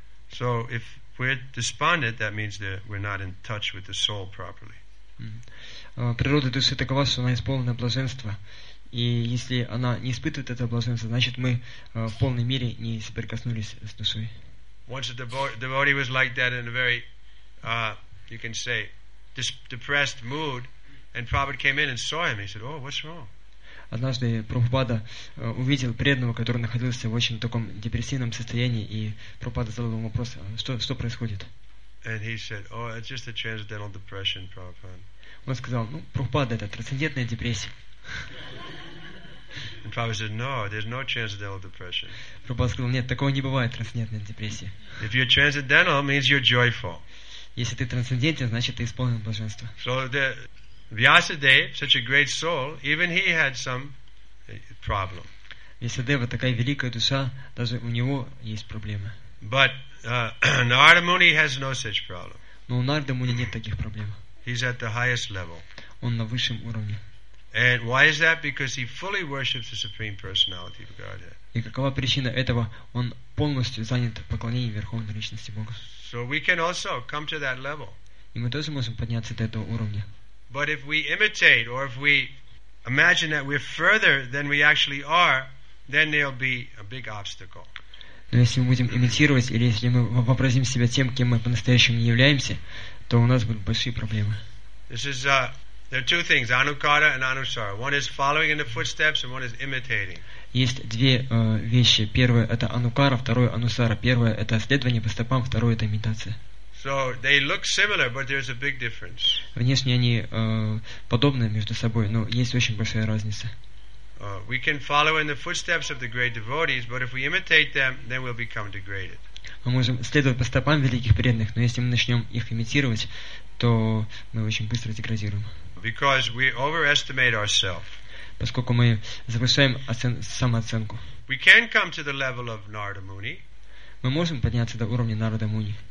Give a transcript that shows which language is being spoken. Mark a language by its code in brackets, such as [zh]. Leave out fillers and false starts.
[en] So if we're despondent, that means that we're not in touch with the soul properly. [ru] Природа души такова, что она исполнена блаженства. И если она не испытывает это блаженство, значит, мы в полной мере не соприкоснулись с душой. [en] Once a devotee was like that in a very, you can say, depressed mood, and Prabhupada came in and saw him. He said, oh, what's wrong? [ru] Однажды Прабхупада увидел преданного, который находился в очень таком депрессивном состоянии, и Прабхупада задал ему вопрос, что происходит? [en] And he said, oh, it's just a transcendental depression, Prabhupada. [ru] Он сказал, ну, Прабхупада, это трансцендентная депрессия. [en] And Prabhupada said, no, there's no transcendental depression. [ru] Прабхупада сказал, нет, такого не бывает, трансцендентной депрессии. [en] If you're transcendental, it means you're joyful. [ru] Если ты трансцендентен, значит, ты исполнен блаженства. [en] So the Vyasadeva, such a great soul, even he had some problem. [ru] Vyasadeva, такая великая душа, даже у него есть проблемы. [en] But Narada Muni has no such problem. [ru] Но у Нарада Муни нет таких проблем. [en] He's at the highest level. [ru] Он на высшем уровне. [en] And why is that? Because he fully worships the Supreme Personality of Godhead. [ru] И какова причина этого? Он полностью занят поклонением Верховной Личности Бога. [en] So we can also come to that level. [ru] И мы тоже можем подняться до этого уровня. [en] But if we imitate or if we imagine that we're further than we actually are, then there'll be a big obstacle. [ru] Но если мы будем имитировать или если мы вообразим себя тем, кем мы по-настоящему не являемся, то у нас будут большие проблемы. [en] This is there are two things, anukara and anusara. One is following in the footsteps and one is imitating. [ru] Есть две вещи. Первое это анукара, второе анусара. Первое это следование по стопам, второе это имитация. [en] So they look similar, but there's a big difference. [ru] Внешне они подобны между собой, но есть очень большая разница. [en] We can follow in the footsteps of the great devotees, but if we imitate them, then we'll become degraded. [ru] Мы можем следовать по стопам великих преданных, но если мы начнем их имитировать, то мы очень быстро деградируем. [en] Because we overestimate ourselves. [ru] Поскольку мы завышаем самооценку. [en] We can come to the level of Narada Muni. [ru] Мы можем подняться до уровня Нарада Муни.